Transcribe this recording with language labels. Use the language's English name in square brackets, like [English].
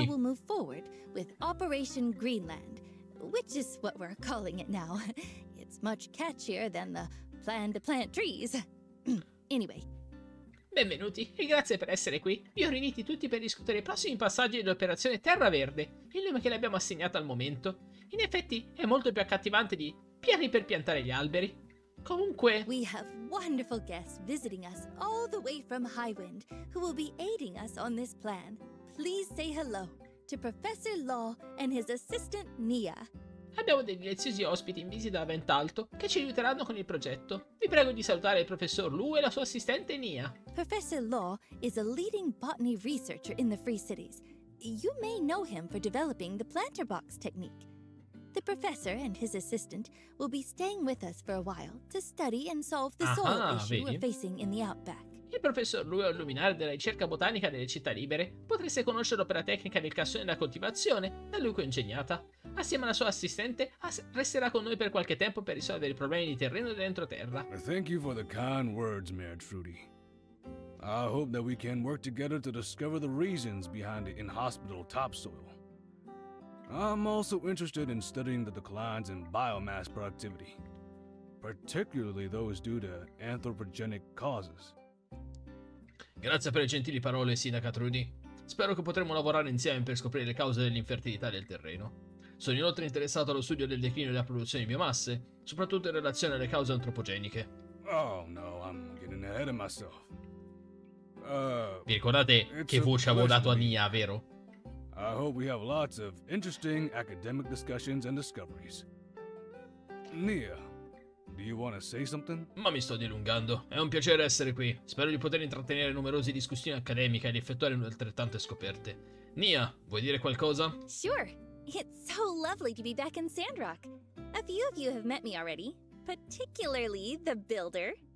[English] We'll move forward with Operation Greenland, which is what we're calling it now. It's much catchier than the plan to plant trees. Anyway. [Italian] Benvenuti e grazie per essere qui. Vi ho riuniti tutti per discutere i prossimi passaggi dell'operazione Terra Verde, il nome che le abbiamo assegnato al momento. In effetti è molto più accattivante di piani per piantare gli alberi. Comunque... [English] We have wonderful guests visiting us all the way from Highwind, who will be aiding us on this plan. Please say hello to Professor Law and his assistant Nia. [Italian] Abbiamo dei deliziosi ospiti in visita da Ventalto che ci aiuteranno con il progetto. Vi prego di salutare il professor Lu e la sua assistente Nia. [English] Professor Law is a leading botany researcher in the Free Cities. You may know him for developing the planter box technique. The professor and his assistant will be staying with us for a while to study and solve the soil issue we're facing in the outback. [Italian] Il professor Lu è un luminare della ricerca botanica delle città libere. Potreste conoscerlo per la tecnica del cassone da coltivazione, da lui coingegnata. Assieme alla sua assistente, resterà con noi per qualche tempo per risolvere i problemi di terreno dell'entroterra. [English] Thank you for the kind words, Mayor Trudy. I hope that we can work together to discover the reasons behind the inhospitable topsoil. I'm also interested in studying the declines in biomass productivity, particularly those due to anthropogenic causes. [Italian] Grazie per le gentili parole, Sindaca Trudy. Spero che potremo lavorare insieme per scoprire le cause dell'infertilità del terreno. Sono inoltre interessato allo studio del declino della produzione di biomasse, soprattutto in relazione alle cause antropogeniche. [English] Oh no, I'm getting ahead of myself. [Italian] Vi ricordate che voce avevo dato a Nia, vero? [English] I hope we have lots of interesting academic discussions and discoveries. Nia. Do you want to say something? [Italian] Ma mi sto dilungando. È un piacere essere qui. Spero di poter intrattenere numerose discussioni accademiche ed effettuare altrettante scoperte. Nia, vuoi dire qualcosa? [English] Sure. It's so lovely to be back in Sandrock. A few of you have met me already, particularly the builder.